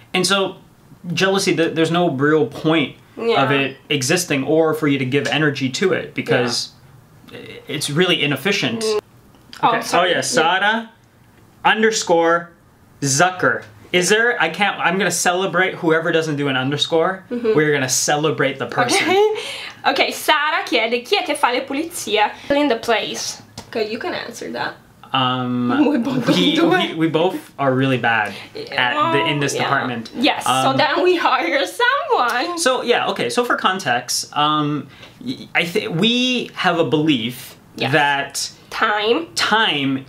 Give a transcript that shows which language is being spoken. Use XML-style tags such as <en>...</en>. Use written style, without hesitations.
<en>And so jealousy, there's no real point of it existing or for you to give energy to it because it's really inefficient. Mm. Okay. Sara underscore Zucker. I'm gonna celebrate whoever doesn't do an underscore. Mm-hmm. We're gonna celebrate the person.</en> <it>Okay, Sara chiede chi è che fa le pulizie?</it> <en>Clean the place. Okay, you can answer that. We both are really bad in this department. Yes, so then we hire someone. So yeah, okay, so for context, we have a belief that time</en>